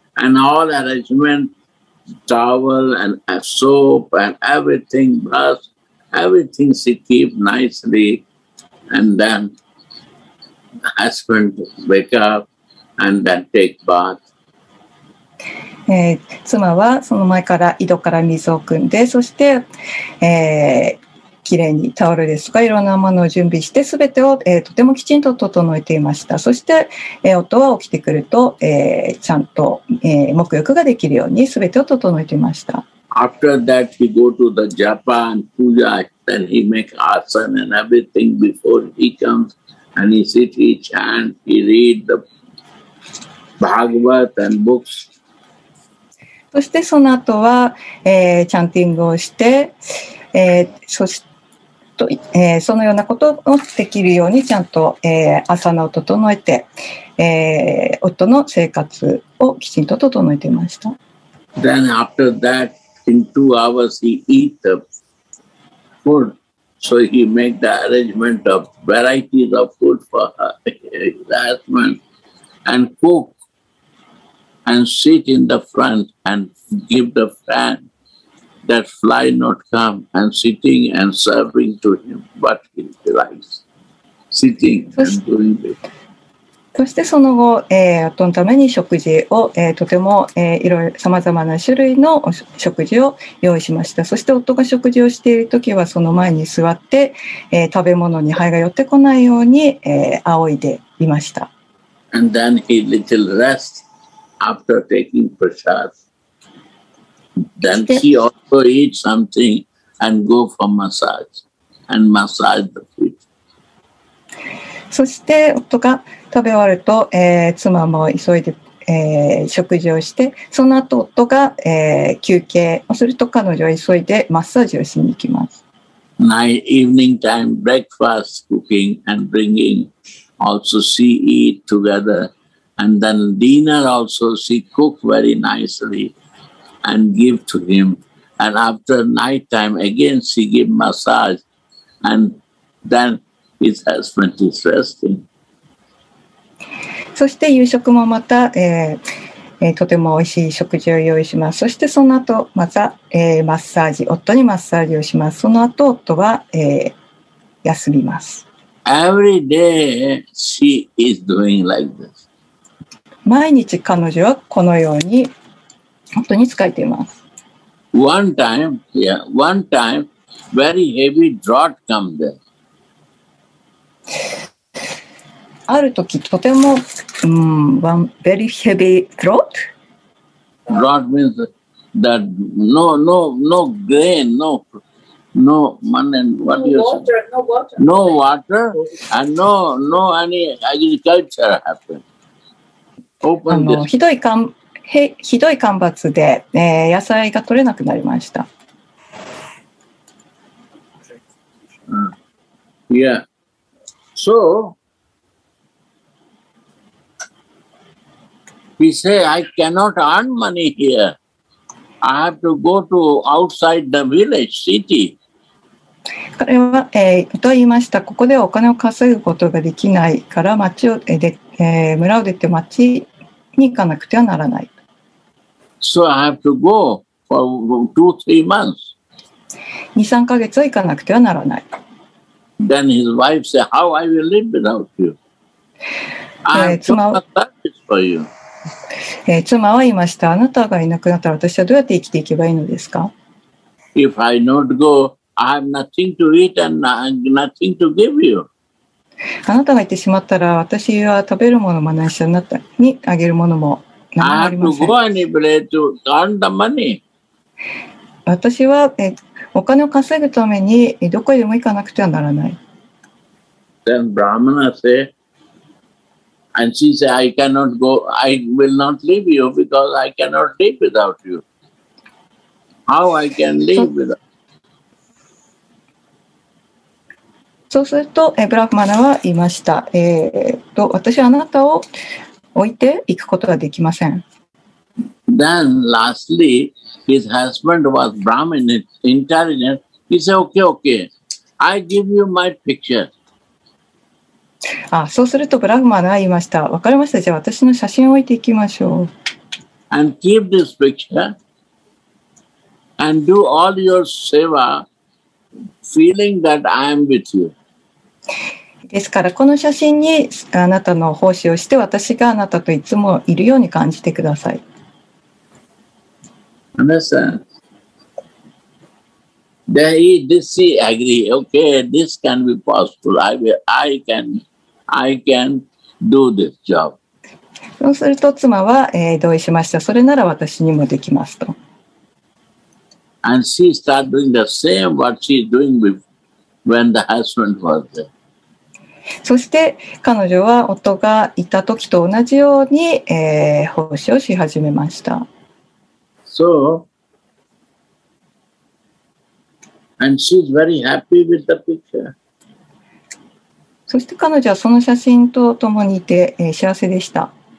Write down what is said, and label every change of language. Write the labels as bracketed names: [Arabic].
[English] And all arrangement, towel and soap and everything, brush, everything she keep nicely. And then husband wake up and then take bath. [Japanese] 妻はその前から井戸から水を汲んで、そして、きれいにタオルですとかいろんなものを準備して、すべてを、とてもきちんと整えていました。そして、夫は起きてくると、ちゃんと、沐浴ができるようにすべてを整えていました。 [English] After that, he go to the Japan puja, then he make asana and everything before he comes, and he sit, he chant, he read the Bhagavat and books. [Japanese] そしてその後は、チャンティングをして、そしと、そのようなことをできるようにちゃんと、朝のを整えて、夫の生活をきちんと整えていました。 [English] Then after that, in 2 hours he eat the food. So he make the arrangement of varieties of food for his husband and cook. and sit in the front and give the fan that fly not come and sitting and serving to him what he likes. Sitting and doing it. [Japanese] そしてその後、夫のために食事を、とても、いろいろさまざまな種類の食事を用意しました。そして夫が食事をしているときはその前に座って、食べ物に灰が寄ってこないように、仰いでいました。 [English] And then he little rest after taking prasad. Then he also eat something and go for massage and massage the feet. [Japanese] そして夫が食べ終わると、妻も急いで、食事をして、その後夫が、休憩をすると彼女は急いでマッサージをしに行きます。 [English] Night, evening time, breakfast, cooking and bringing, also she eat together, and then dinner also she cook very nicely and give to him, and after night time again she give massage, and thenHis husband is resting. [Japanese] そして夕食もまた、とても美味しい食事を用意します。そしてその後また、マッサージ、夫にマッサージをします。その後夫は、休みます。 [English] Every day she is doing like this. [Japanese] 毎日彼女はこのように夫に仕えています。 [English] One time, yeah, one time, very heavy drought come there. [Japanese] ある時とても、 [English] very heavy drought. Drought means that no grain, no money. What you say? No water and no any agriculture happen. Open this. [Japanese] ひどい干ばつで、野菜が取れなくなりました。 [English] Yeah. So, he says, I cannot earn money here. I have to go to outside the village, city. [Japanese] 彼は、と言いました。ここでお金を稼ぐことができないから町を、村を出て町に行かなくてはならない。 [English] So, I have to go for 2-3 months. [Japanese] 2、3ヶ月は行かなくてはならない。 [English] Then his wife said, how I will live without you? I have to practice for you. [Japanese] 妻は言いました。あなたがいなくなったら私はどうやって生きていけばいいのですか? [English] If I not go, I have nothing to eat and nothing to give you. [Japanese] あなたが行ってしまったら私は食べるものもないし、あなたにあげるものも何もありません。 [English] I have to go anywhere to earn the money. [Japanese] 私は、お金を稼ぐためにどこへでも行かなくてはならない。 [English] Then Brahmana said, and she said, I cannot go, I will not leave you because I cannot live without you. How I can live without you? [Japanese] そうすると、ブラフマナは言いました。私はあなたを置いて行くことができません。 [English] Then lastly,His husband was Brahmin, intelligent. He said, okay, I give you my picture. [Japanese] Ah, そうするとブラフマナは言いました。わかりました。じゃあ私の写真を置いていきましょう。 [English] And keep this picture and do all your seva feeling that I am with you. [Japanese] ですからこの写真にあなたの奉仕をして私があなたといつもいるように感じてください。 [English] Understand? This he agree. Okay, this can be possible. I can do this job. [Japanese] そうすると妻は、同意しました。それなら私にもできますと。 [English] And she start doing the same what she doing when the husband was there. [Japanese] そして彼女は夫がいた時と同じように、奉仕をし始めました。 [English] So, and she's very happy with the picture. [Japanese] そして彼女はその写真と共にいて、幸せでした。